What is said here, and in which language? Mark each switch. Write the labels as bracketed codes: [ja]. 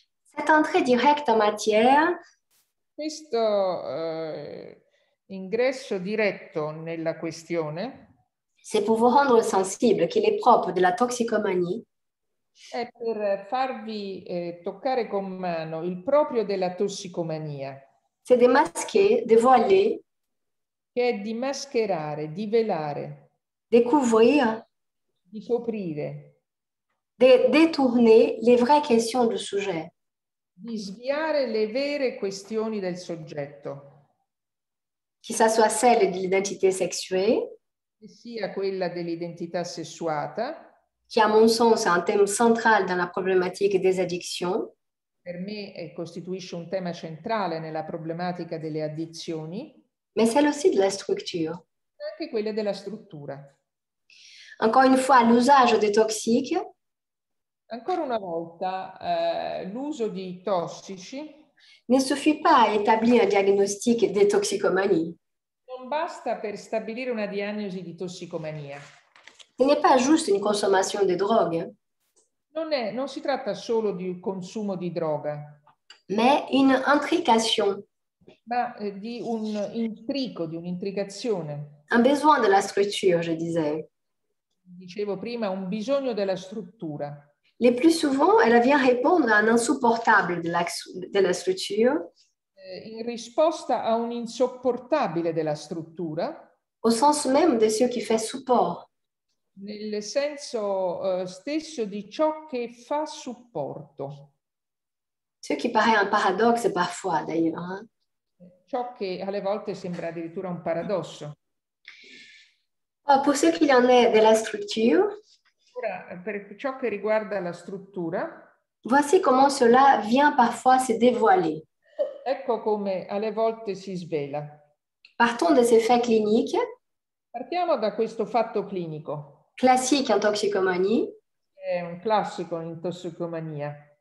[fr] Cette entrée directe en matière. [it] Questo ingresso diretto nella questione. [fr] c'est pour vous rendre sensible qu'il est propre de la toxicomanie. [it] È per farvi toccare con mano il proprio della tossicomania. [fr] C'est de masquer, de voiler. [it] Che è di mascherare, di velare. [fr] Découvrir. [it] Di coprire. [fr] De détourner les vraies questions du sujet. [it] Di sviare le vere questioni del soggetto. Che [fr] ça soit celle de l'identité sexuée. [it] Che sia quella dell'identità sessuata. [fr] Qui, à mon sens, est un thème central dans la problématique des addictions. [it] Per me costituisce un tema centrale nella problematica delle addizioni. [fr] Mais celle aussi de la structure. [it] Anche quella della struttura. [fr] Encore une fois, l'usage des toxiques. [it] Ancora una volta, l'uso di tossici. [fr] Ne suffit pas à établir un diagnostic de toxicomanie. [it] Non basta per stabilire una diagnosi di tossicomania. [fr] Ce n'est pas juste une consommation de drogue. [it] Non si tratta solo di un consumo di droga. [fr] Mais une intrication. [it] Ma di un intrico, di un'intricazione. [fr] Un besoin de la structure, je disais. [it] Dicevo prima, un bisogno della struttura. [fr] Le plus souvent, elle vient répondre à un insupportable de la structure. [it] In risposta a un insopportabile della struttura. [fr] Au sens même de ce qui fait support. [it] Nel senso stesso di ciò che fa supporto. [fr] Ce qui paraît un paradoxe parfois, d'ailleurs. Hein? [it] Ciò che alle volte sembra addirittura un paradosso. [fr] Oh, pour ce qu'il en est de la structure. [it] Ora, per ciò che riguarda la struttura. [fr] Voici comment cela vient parfois se dévoiler. [it] Ecco come alle volte si svela. [fr] Partons des effets cliniques. [it] Partiamo da questo fatto clinico. [fr] Classique en toxicomanie. [it] È un classico in tossicomania.